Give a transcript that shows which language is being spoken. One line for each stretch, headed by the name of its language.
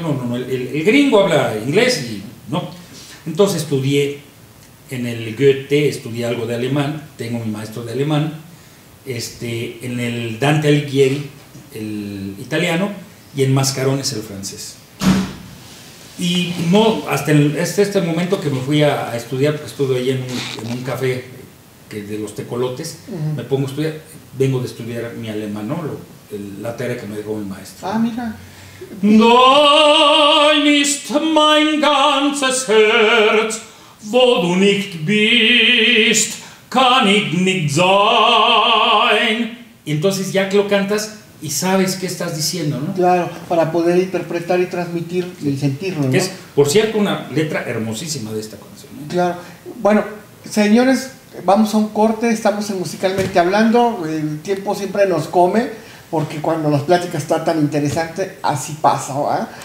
Spanish: No, el gringo habla inglés y no. Entonces estudié en el Goethe, estudié algo de alemán, tengo mi maestro de alemán, en el Dante Alighieri, el italiano, y en Mascarones el francés. Y no, hasta este momento que me fui a estudiar, porque estuve ahí en un café que de los tecolotes, me pongo a estudiar, vengo de estudiar mi alemán, ¿no? La tarea que me dejó mi maestro. Ah, mira.
German: Dein ist mein ganzes Herz, wo du nicht bist, kann ich nicht sein.
Spanish: Y entonces ya que lo cantas, y sabes qué estás diciendo, ¿no? Claro, para poder interpretar y transmitir y sentirlo, ¿no? Es, por cierto, una letra hermosísima de esta canción, ¿no? Claro. Bueno, señores, vamos a un corte, estamos en Musicalmente Hablando, el tiempo siempre nos come, porque cuando las pláticas están tan interesantes, así pasa, ¿verdad?